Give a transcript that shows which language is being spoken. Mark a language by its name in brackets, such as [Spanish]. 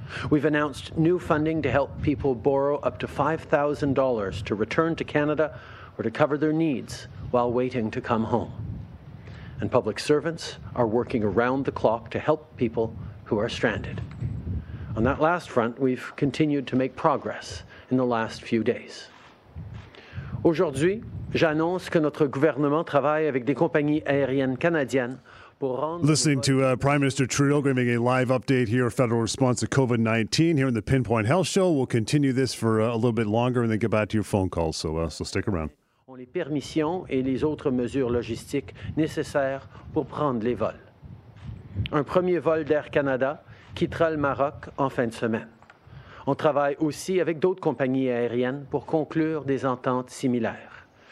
[English] We've announced new funding to help people borrow up to $5,000 to return to Canada or to cover their needs while waiting to come home. And public servants are working around the clock to help people who are stranded. On that last front, we've continued to make progress in the last few days. [French] Aujourd'hui, j'annonce que notre gouvernement travaille avec des compagnies aériennes canadiennes. [English] Listening to Prime Minister Trudeau giving a live update here, federal response to COVID-19 here in the Pinpoint Health Show. We'll continue this for a little bit longer and then get back to your phone calls. So stick around. [French] On les permissions et les autres mesures logistiques nécessaires pour prendre les vols. Un premier vol d'Air Canada quittera le Maroc en fin de semaine. On travaille aussi avec d'autres compagnies aériennes pour conclure des ententes similaires.